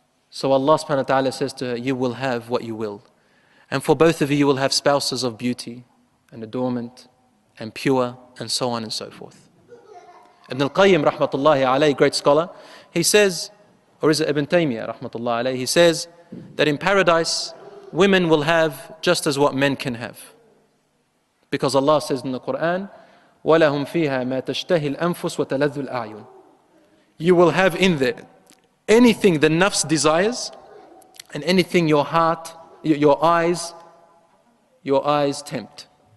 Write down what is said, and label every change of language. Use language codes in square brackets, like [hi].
[en] So Allah subhanahu wa ta'ala says to her, you will have what you will. And for both of you, you will have spouses of beauty and adornment and pure and so on and so forth. Ibn al-Qayyim rahmatullahi alayhi, great scholar, he says, or is it Ibn Taymiyyah rahmatullahi alayhi, he says that in paradise, women will have just as what men can have. Because Allah says in the Quran, [ar] وَلَهُمْ فِيهَا مَا تَشْتَهِي الْأَنفُسُ وَتَلَذُّ الْأَعْيُنُ. [en] You will have in there anything the nafs desires and anything your heart, your eyes tempt.